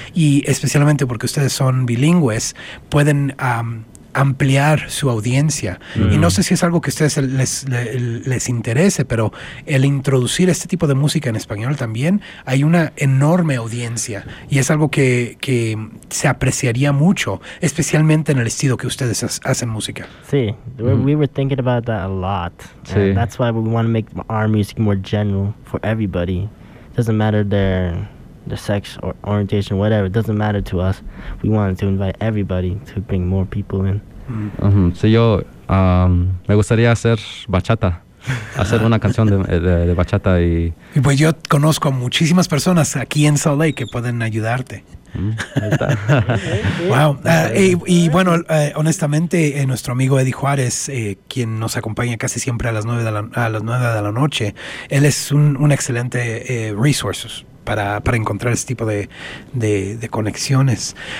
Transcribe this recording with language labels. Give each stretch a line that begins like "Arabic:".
Spanish: Y especialmente porque ustedes son bilingües, pueden ampliar su audiencia. Uh-huh. Y no sé si es algo que a ustedes les interese, pero el introducir este tipo de música en español también, hay una enorme audiencia. Y es algo que se apreciaría mucho, especialmente en el estilo que ustedes hacen música.
English: Sí, we were thinking about that a lot. Sí. And that's why we want to make our music more general for everybody. It doesn't matter their sex or orientation, whatever, it doesn't matter to us. We wanted to invite everybody to bring more people in. Mm-hmm.
Spanish: Sí, yo me gustaría hacer bachata, hacer una canción de bachata. Y pues yo conozco a muchísimas personas aquí en Salt Lake que pueden ayudarte. Wow. Y bueno, honestamente, nuestro amigo Eddie Juárez, quien nos acompaña casi siempre a las 9 de la noche, él es un excelente resource para encontrar este tipo de conexiones.